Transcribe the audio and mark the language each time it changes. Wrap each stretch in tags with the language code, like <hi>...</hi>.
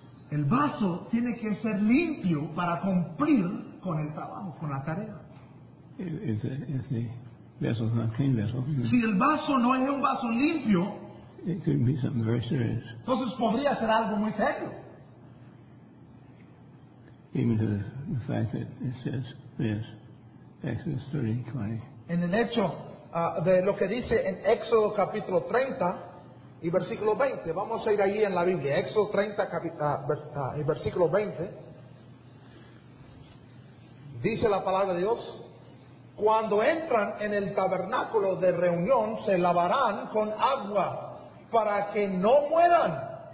<es>El vaso tiene que ser limpio para cumplir con el trabajo, con la tarea.</es> <en>If the vessel is not clean vessel,</en> <es>si el vaso no es un vaso limpio,</es> <en>It could be something very serious.</en> <es>Entonces podría ser algo muy serio.</es> <en>Even to the fact that it says this, Exodus 30:20.</en> <es>En el hecho de lo que dice en Éxodo capítulo 30 y versículo 20. Vamos a ir allí en la Biblia. Éxodo 30 y versículo 20. Dice la palabra de Dios. Cuando entran en el tabernáculo de reunión, se lavarán con agua para que no mueran.</es>